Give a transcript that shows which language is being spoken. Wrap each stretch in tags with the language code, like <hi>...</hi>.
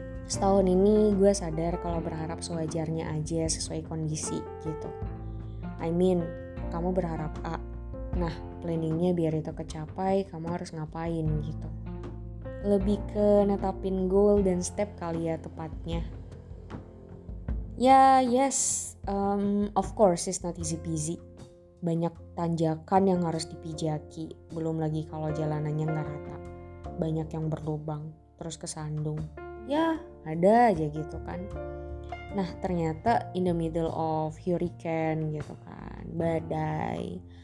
<id>Setahun ini gue sadar kalau berharap sewajarnya aja sesuai kondisi gitu.</id> <en>I mean,</en> <id>kamu berharap A. Nah, planningnya biar itu kecapai, kamu harus ngapain gitu. Lebih ke netapin goal dan step kali ya tepatnya.</id> <en>Ya, yes, of course it's not easy peasy.</en> <id>Banyak tanjakan yang harus dipijaki, belum lagi kalau jalanannya gak rata. Banyak yang berlubang, terus kesandung. Ya, ada aja gitu kan. Nah, ternyata</id> <en>in the middle of hurricane</en> <id>gitu kan, badai.</id>